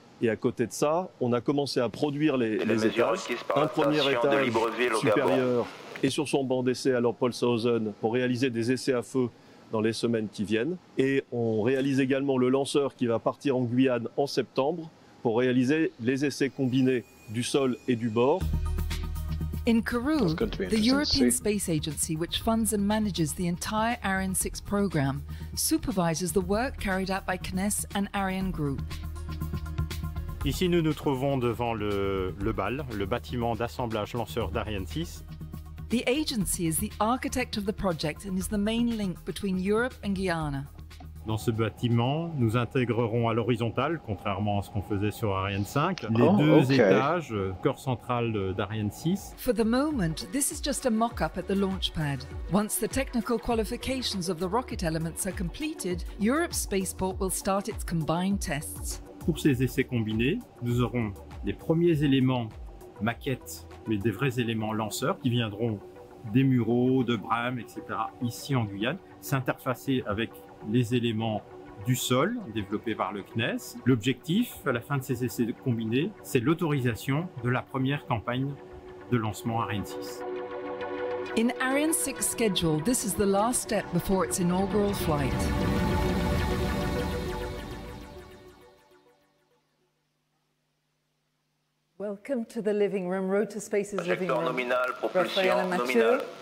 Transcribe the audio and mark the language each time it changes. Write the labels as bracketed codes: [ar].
[fr] Et à côté de ça, on a commencé à produire les étages. Un premier étage supérieur et sur son banc d'essai à Paulshausen pour réaliser des essais à feu dans les semaines qui viennent. Et on réalise également le lanceur qui va partir en Guyane en septembre pour réaliser les essais combinés du sol et du bord. [en] In Kourou, the European Space Agency, which funds and manages the entire Ariane 6 program, supervises the work carried out by CNES and Ariane Group. [fr] Ici, nous nous trouvons devant le BAL, le bâtiment d'assemblage lanceur d'Ariane 6. [en] The agency is the architect of the project and is the main link between Europe and Guyana. [fr] Dans ce bâtiment, nous intégrerons à l'horizontale, contrairement à ce qu'on faisait sur Ariane 5, les étages, corps central d'Ariane 6. [en] For the moment, this is just a mock-up at the launch pad. Once the technical qualifications of the rocket elements are completed, Europe's spaceport will start its combined tests. [fr] Pour ces essais combinés, nous aurons les premiers éléments maquettes, mais des vrais éléments lanceurs qui viendront des mureaux, de Bram, etc. ici en Guyane, s'interfacer avec les éléments du sol développés par le CNES. L'objectif à la fin de ces essais combinés, c'est l'autorisation de la première campagne de lancement Ariane 6. [en] In Ariane 6 schedule, this is the last step before its inaugural flight. Welcome to the living room, Rotospace's living room. Nominal, propulsion nominal.